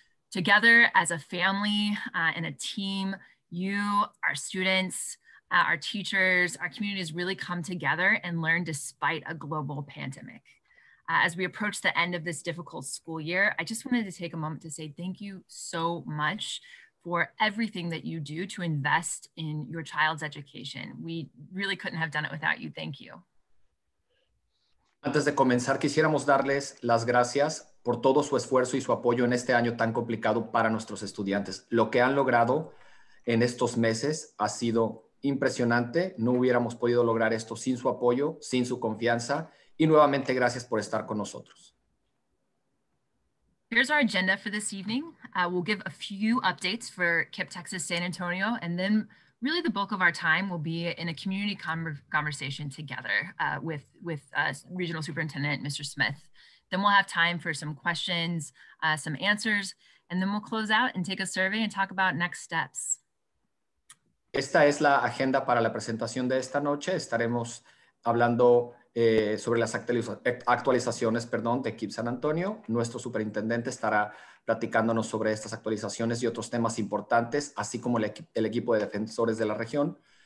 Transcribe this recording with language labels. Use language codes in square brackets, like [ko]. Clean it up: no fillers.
[en] Together as a family and a team, you, our students, our teachers, our communities really come together and learn despite a global pandemic. As we approach the end of this difficult school year, I just wanted to take a moment to say thank you so much for everything that you do to invest in your child's education. We really couldn't have done it without you. Thank you. [es] Antes de comenzar, quisiéramos darles las gracias por todo su esfuerzo y su apoyo en este año tan complicado para nuestros estudiantes. Lo que han logrado en estos meses ha sido impresionante. No hubiéramos podido lograr esto sin su apoyo, sin su confianza. Y nuevamente, gracias por estar con nosotros. [en] Here's our agenda for this evening. We'll give a few updates for KIPP Texas San Antonio, and then really the bulk of our time will be in a community conversation together with Regional Superintendent Mr. Smith. Then we'll have time for some questions, some answers, and then we'll close out and take a survey and talk about next steps. [es] Esta es la agenda para la presentación de esta noche. Estaremos hablando sobre las actualizaciones, perdón, de KIPP San Antonio. Nuestro superintendente estará platicándonos sobre estas actualizaciones y otros temas importantes, así como el equipo de defensores de la región.